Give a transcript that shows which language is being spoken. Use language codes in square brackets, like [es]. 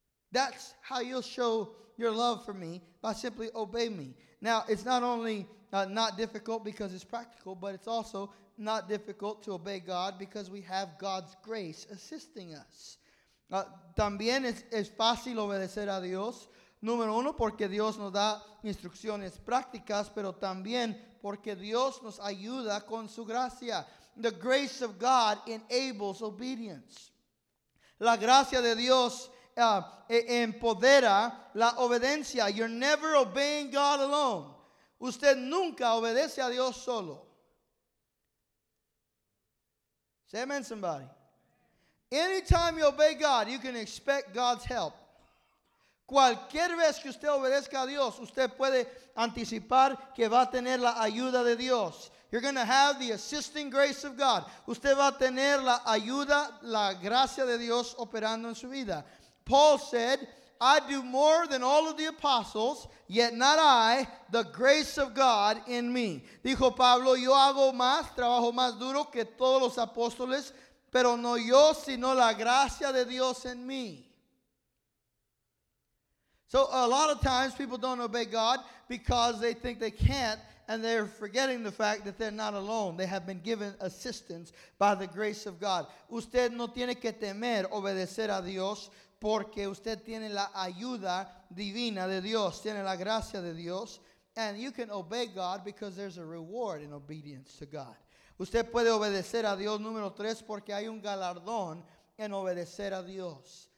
[en] That's how you'll show your love for me, by simply obey me. Now, it's not only not difficult because it's practical, but it's also not difficult to obey God because we have God's grace assisting us. [es] También es fácil obedecer a Dios. Número uno, porque Dios nos da instrucciones prácticas, pero también porque Dios nos ayuda con su gracia. [en] The grace of God enables obedience. [es] La gracia de Dios empodera la obediencia. [en] You're never obeying God alone. [es] Usted nunca obedece a Dios solo. [en] Say amen, somebody. Anytime you obey God, you can expect God's help. [es] Cualquier vez que usted obedezca a Dios, usted puede anticipar que va a tener la ayuda de Dios. [en] You're going to have the assisting grace of God. [es] Usted va a tener la ayuda, la gracia de Dios operando en su vida. [en] Paul said, I do more than all of the apostles, yet not I, the grace of God in me. [es] Dijo Pablo, yo hago más, trabajo más duro que todos los apóstoles, pero no yo, sino la gracia de Dios en mí. [en] So a lot of times people don't obey God because they think they can't, and they're forgetting the fact that they're not alone. They have been given assistance by the grace of God. [es] Usted no tiene que temer obedecer a Dios porque usted tiene la ayuda divina de Dios, tiene la gracia de Dios. [en] And you can obey God because there's a reward in obedience to God. [es] Usted puede obedecer a Dios, número tres, porque hay un galardón en obedecer a Dios.